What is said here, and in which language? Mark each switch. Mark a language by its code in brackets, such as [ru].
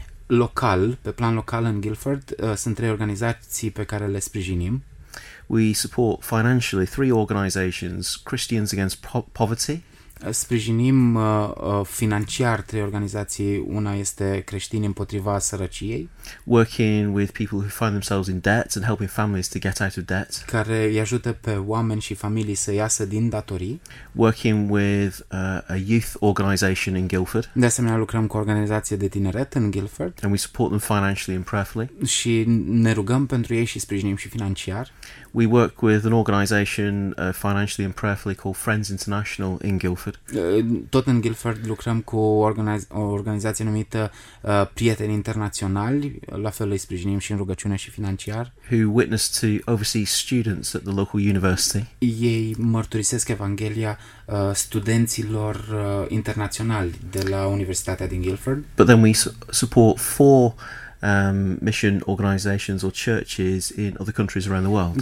[ro] Local, pe plan local în Guildford, sunt 3 organizații pe care le sprijinim. [en] We support financially 3 organizations, Christians Against Poverty. [ro] sprijinim financiar trei organizații. Una este Creștini împotriva sărăciei, [en] working with people who find themselves in debt and helping families to get out of debt, [ro] care îi ajută pe oameni și familii să iasă din datorii, [en] working with a youth organization in Guildford. [ro] De asemenea, lucrăm cu o organizație de tineret în Guildford, [en] and we support them financially and prayerfully. [ro] Și ne rugăm pentru ei și sprijinim și financiar. [en] We work with an organization financially and prayerfully called Friends International in Guildford. [ro] Tot în Guildford lucrăm cu o organizație numită Prieteni Internaționali, la fel îi sprijinim și în rugăciune și financiar. [en] Who witness to overseas students at the local university. [ro] Ei mărturisesc Evanghelia studenților internaționali de la Universitatea din Guildford. [en] But then we support four mission organizations or churches in other countries around the world.